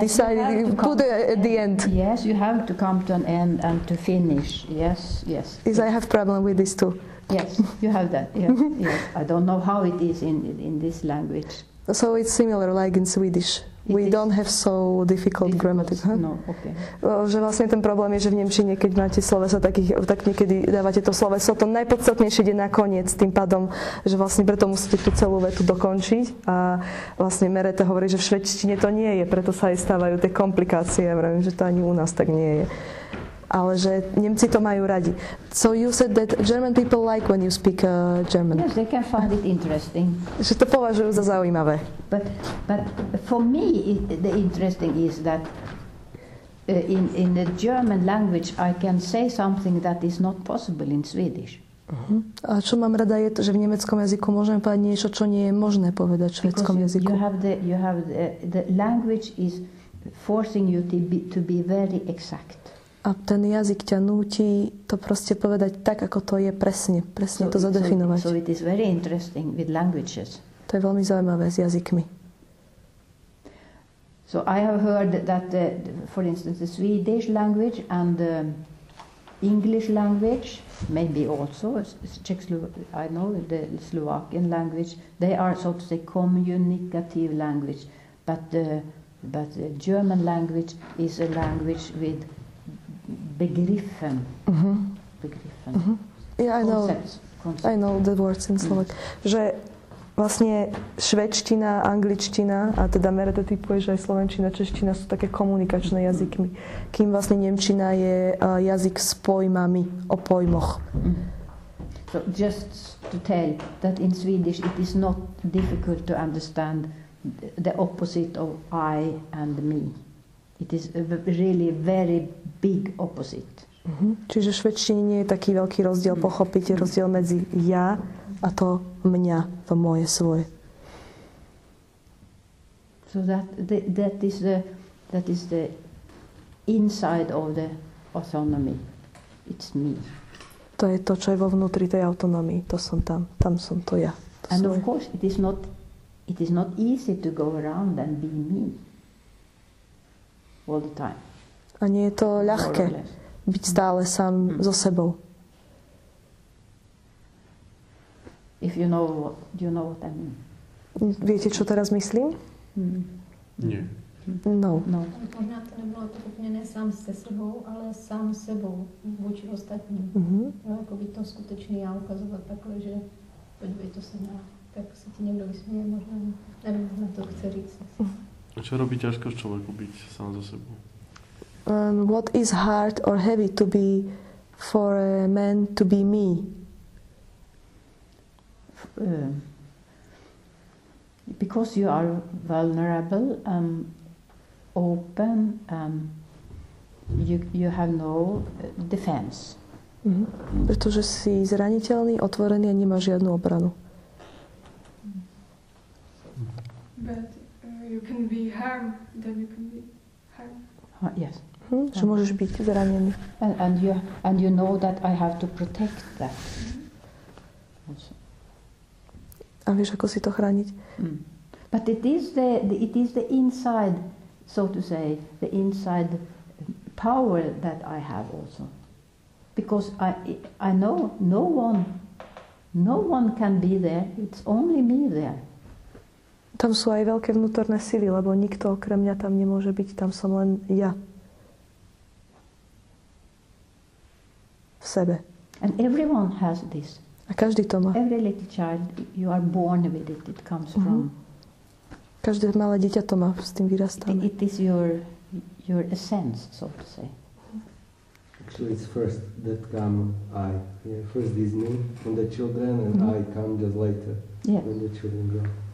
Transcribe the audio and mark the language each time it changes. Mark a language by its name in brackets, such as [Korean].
[English] decide, you put it at the end. Yes, you have to come to an end and to finish, yes. Is I have problem with this too. Yes, you have that, yes. I don't know how it is in this language. So it's similar like in Swedish. Don't have so difficult grammatic. Huh? No, okay. [Slovak] Že vlastne ten problém je, že v nemčine, keď máte slovesa takých, tak niekedy dávate to sloveso, to najpodstatnejšie ide na koniec, tým pádom, že vlastne preto musíte tú celú vetu dokončiť a vlastne Merete hovorí, že v švedčtine to nie je, preto sa aj stávajú tie komplikácie. Ja vravím, že to ani u nás tak nie je. Ale že Nemci to majú radi. [English] So you said that German people like when you speak German. Yes, they can find it interesting. [Slovak] Že to považujú za zaujímavé. [English] But for me the interesting is that in the German language I can say something that is not possible in Swedish. Uh-huh. [Slovak] A čo mám rada je to, že v nemeckom jazyku môžem povedať niečo, čo nie je možné povedať v švédskom jazyku. [English] Because you have the language is forcing you to be very exact. [Slovak] A ten jazyk ťa núti to proste povedať tak, ako to je presne [English] so, [Slovak] to zadefinovať. [English] So it is very interesting with languages. [Slovak] To je veľmi zaujímavé s jazykmi. [English] So I have heard that, for instance, the Swedish language and the English language, maybe also the Slovakian language, they are, so to say, communicative language. But the German language is a language with begriffen. Mm-hmm. [German] Begriffen. [English] Mm-hmm. Yeah, I concepts. Know. I know the words in Slovak. [Slovak] Že vlastne švédština, angličtina a teda Merete typuje, že aj slovenčina, čeština sú také komunikačné jazykmi. Kým vlastne nemčina je jazyk s pojmami, o pojmoch. [English] So just to tell that in Swedish it is not difficult to understand the opposite of I and me. It is a really very big opposite. Mm-hmm. [Slovak] Čiže v švédštine nie je taký veľký rozdiel pochopiť, rozdiel medzi ja a to mňa, to moje, svoje. [English] So that is the inside of the autonomy. It's me. [Slovak] To je to, čo je vo vnútri tej autonomii. To som tam. Tam som to ja. To [English] and of course it is not easy to go around and be me all the time. [Slovak] A nie je to ľahké byť stále sám so sebou. [English] If you know what, do you know what I mean? [Slovak] Viete, čo teraz myslím? Nie. [English] No. [Czech] Možná to nebolo pochopne ne sám se sebou, ale sám sebou vôči ostatním. [Slovak] Mm-hmm. No, ako by to skutečný ja ukazovať takhle, že podívej to sa na... Tak si ti niekto vysmieje, možno neviem, na to chce říct. A čo robí ťažko človeku byť sám so sebou? [English] What is hard or heavy to be for a man to be me? Because you are vulnerable and open, you have no defense. Mm-hmm. [Slovak] Pretože si zraniteľný, otvorený a nemáš žiadnu obranu. [English] But you can be harmed, then you can be harmed. Yes. [Slovak] Že môžeš byť zranený. [English] And you know that I have to protect that. [Slovak] A vieš, ako si to chrániť? [English] But it is the inside, so to say, the inside power that I have also. Because I know no one can be there. It's only me there. [Slovak] Tam sú aj veľké vnútorné sily, lebo nikto okrem mňa tam nemôže byť. Tam som len ja. Sebe. [English] And everyone has this. [Slovak] A každý to má. [English] Every little child, you are born with it. It comes from. [Slovak] Každé malé dieťa to má, s tým vyrastáme. [English] It is your essence, so to say. Actually, it's first that come I. Yeah, first this me from the children, and I come just later when the children grow.